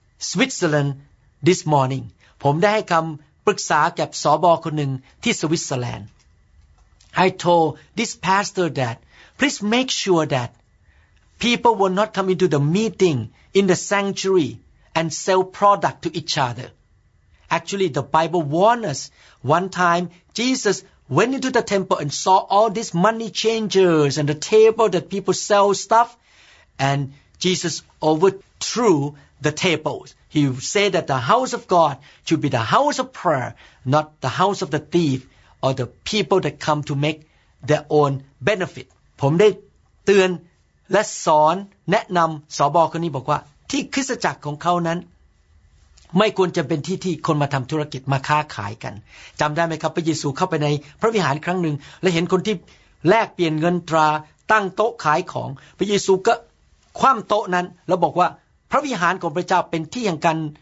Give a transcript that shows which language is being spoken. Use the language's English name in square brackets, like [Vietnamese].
[English] Switzerland this morning [Thai] ผมได้ให้คำปรึกษากับสบคนหนึ่งที่สวิตเซอร์แลนด์ [English] I told this pastor that please make sure that people will not come into the meeting in the sanctuaryand sell product to each other. Actually, the Bible warned us. One time, Jesus went into the temple and saw all these money changers and the table that people sell stuff. And Jesus overthrew the tables. He said that the house of God should be the house of prayer, not the house of the thief or the people that come to make their own benefit. [Thai] ผมได้เตือนและสอนแนะนำสบคนนี้บอกว่าที่คริสตจักรของเขานั้นไม่ควรจะเป็นที่ที่คนมาทำธุรกิจมาค้าขายกันจำได้ไหมครับพระเยซูเข้าไปในพระวิหารครั้งหนึ่งและเห็นคนที่แลกเปลี่ยนเงินตราตั้งโต๊ะขายของพระเยซูก็คว่ำโต๊ะนั้นแล้วบอกว่าพระวิหารของพระเจ้าเป็นที่แห่งการ